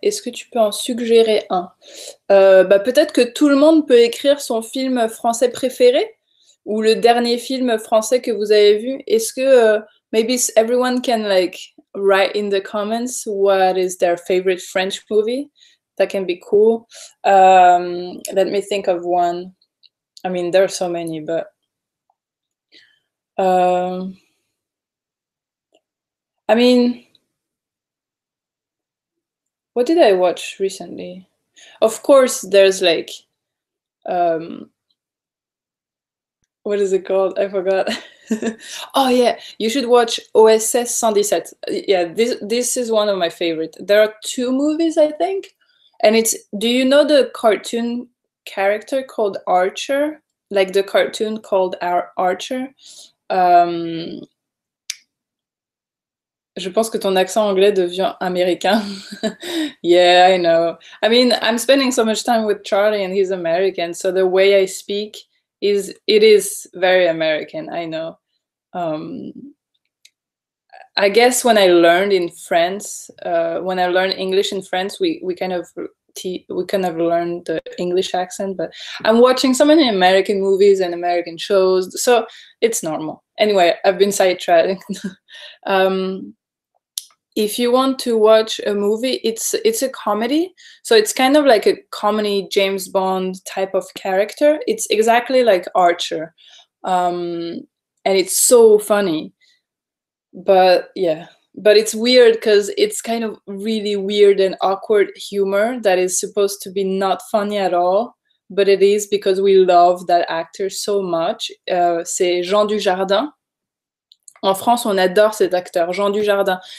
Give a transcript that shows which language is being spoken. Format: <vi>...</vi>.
<fr>Est-ce que tu peux en suggérer un? Bah, peut-être que tout le monde peut écrire son film français préféré ou le dernier film français que vous avez vu. Est-ce que</fr> <en>maybe everyone can like write in the comments what is their favorite French movie? That can be cool. Let me think of one. I mean, there are so many, but. I mean, what did I watch recently? Of course, there's like, what is it called? I forgot. Oh yeah, you should watch OSS 117. Yeah, this is one of my favorite. There are two movies, I think. And it's, do you know the cartoon character called Archer? Like the cartoon called Archer?</en> <fr>Je pense que ton accent anglais devient américain.</fr> <en>Yeah, I know. I mean, I'm spending so much time with Charlie and he's American, so the way I speak is it is very American, I know. I guess when I learned in France, when I learned English in France, we kind of learned the English accent, but I'm watching so many American movies and American shows, so it's normal. Anyway, I've been sidetracked. If you want to watch a movie, it's a comedy. So it's kind of like a comedy James Bond type of character. It's exactly like Archer. And it's so funny. But yeah, but it's weird because it's kind of really weird and awkward humor that is supposed to be not funny at all, but it is because we love that actor so much.</en> <fr>C'est Jean Dujardin. En France, on adore cet acteur, Jean Dujardin.</fr>